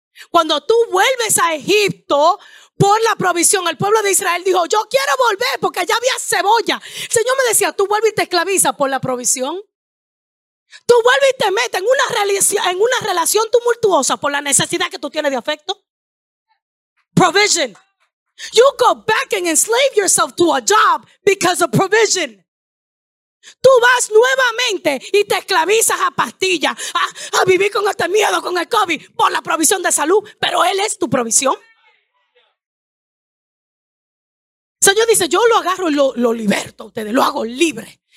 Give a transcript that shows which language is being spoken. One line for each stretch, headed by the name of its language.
Spanish: Cuando tú vuelves a Egipto por la provisión, el pueblo de Israel dijo: yo quiero volver porque allá había cebolla. El Señor me decía: tú vuelves y te esclavizas por la provisión. Tú vuelves y te metes en una relación tumultuosa por la necesidad que tú tienes de afecto.
English: Provision. You go back and enslave yourself to a job because of provision.
Spanish: Tú vas nuevamente y te esclavizas a pastillas, a vivir con este miedo, con el COVID, por la provisión de salud, pero Él es tu provisión. El Señor dice: yo lo agarro y lo liberto a ustedes, lo hago libre.